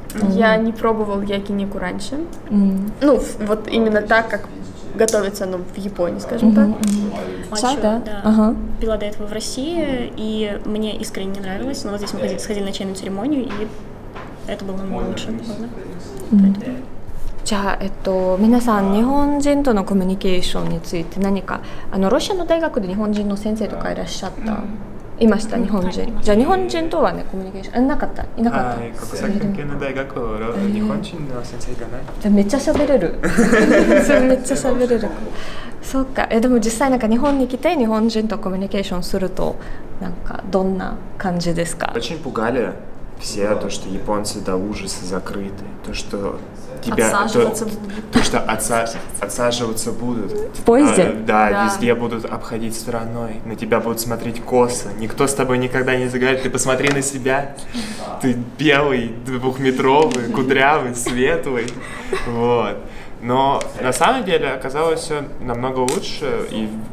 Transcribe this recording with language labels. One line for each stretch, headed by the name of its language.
Russian: Я не пробовала якинику раньше. Ну, вот именно так, как готовится оно в Японии, скажем так. Чай, да? Пила до этого в России, и мне искренне не нравилось. Но вот здесь мы сходили на чайную церемонию, и это было намного лучше.
Japanese: じゃあ、皆さん日本人とのコミュニケーションについて何かロシアの大学で日本人の先生とかいらっしゃった、いました日本人、じゃあ日本人とはねコミュニケーションなかった、いなかった、国際関係の大学の日本人の先生がない、じゃあめっちゃ喋れるそれめっちゃ喋れるそうか、でも実際なんか日本に来て日本人とコミュニケーションするとなんかどんな感じですか。
Russian: очень пугали все, то, что японцы до ужаса закрыты, то, что тебя... Отсаживаться будут. В поезде? Да, везде будут обходить стороной, на тебя будут смотреть косо, никто с тобой никогда не заговорит, ты посмотри на себя, ты белый, двухметровый, кудрявый, светлый, вот. Но на самом деле оказалось все намного лучше, и